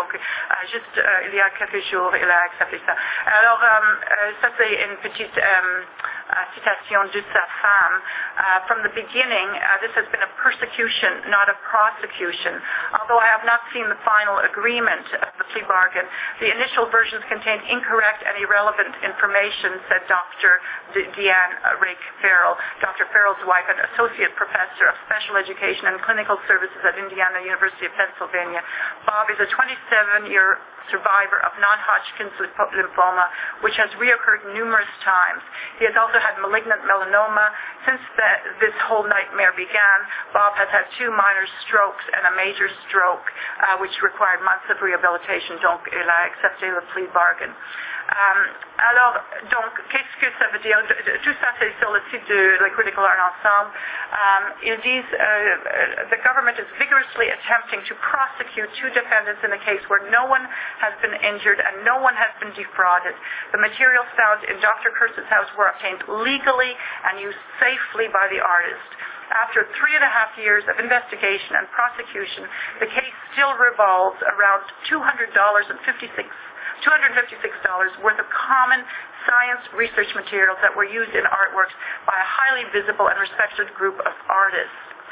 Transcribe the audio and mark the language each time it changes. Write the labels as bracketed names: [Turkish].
[French] Donc, il y a quelques jours, il a accepté ça. Alors, ça c'est une petite citation de sa femme. [English] From the beginning, this has been a persecution, not a prosecution. Although I have not seen the final agreement of the plea bargain, the initial versions contained incorrect and irrelevant information, said Dr. Deanne Rake Farrell, Dr. Farrell's wife and associate professor of special education and clinical services at Indiana University of Pennsylvania. Bob is a 27-year survivor of non-Hodgkin's lymphoma, which has reoccurred numerous times. He has also had malignant melanoma. Since this whole nightmare began, Bob has had two minor strokes and a major stroke, which required months of rehabilitation. [French] Donc, il a accepté le plea bargain. Alors, donc, qu'est-ce que ça veut dire? Tout ça, c'est sur le site de la Critical Art Ensemble. Ils disent, [English] the government is vigorously attempting to prosecute two defendants in a case where no one has been injured and no one has been defrauded. The materials found in Dr. Kurtz's house were obtained legally and used safely by the artist. After 3.5 years of investigation and prosecution, the case still revolves around $256 worth of common science research materials that were used in artworks by a highly visible and respected group of artists.